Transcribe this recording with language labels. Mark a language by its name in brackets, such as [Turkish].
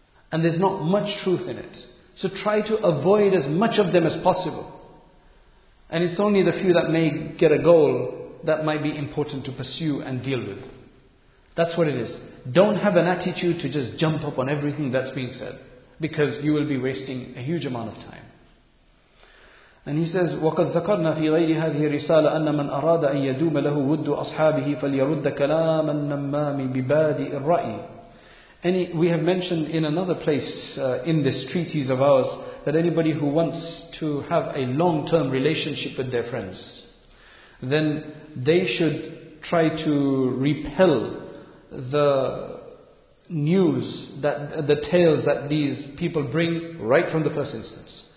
[English] And there's not much truth in it. So try to avoid as much of them as possible. And it's only the few that may get a goal that might be important to pursue and deal with. That's what it is. Don't have an attitude to just jump up on everything that's being said, because you will be wasting a huge amount of time. And he says, [Arabic] وَقَدْ ذَكَرْنَا فِي غَيْرِ هَذِهِ الرِّسَالَ أَنَّ مَنْ أَرَادَ أَنْ يَدُومَ لَهُ وُدُّ أَصْحَابِهِ فَلْيَرُدَّ كَلَامَ النَّمَّامِ بِبَادِئِ الرَّأِيِ. [English] And we have mentioned in another place in this treatise of ours that anybody who wants to have a long-term relationship with their friends, then they should try to repel the news, that the tales that these people bring right from the first instance.